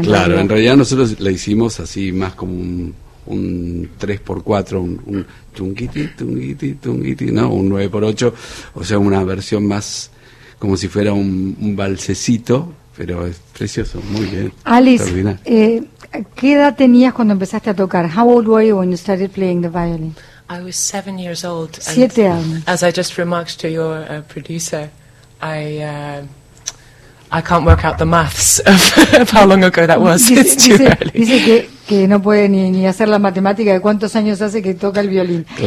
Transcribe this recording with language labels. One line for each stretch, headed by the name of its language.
Spanish: Claro, en realidad nosotros la hicimos así, más como un 3x4, un chunguiti, tunguiti, tunguiti, ¿no? Un 9x8, o sea, una versión más como si fuera un valsecito, pero es precioso, muy bien. Alice, ¿qué edad tenías cuando empezaste a tocar?
English: How old were you when you started playing the violin? I was 7 years old.
Spanish: 7 años.
English: As I just remarked to your producer, I can't work out the maths of how long ago that was. Dice, it's too dice, early.
Spanish: Dice que no puede ni hacer la matemática de cuántos años hace que toca el violín.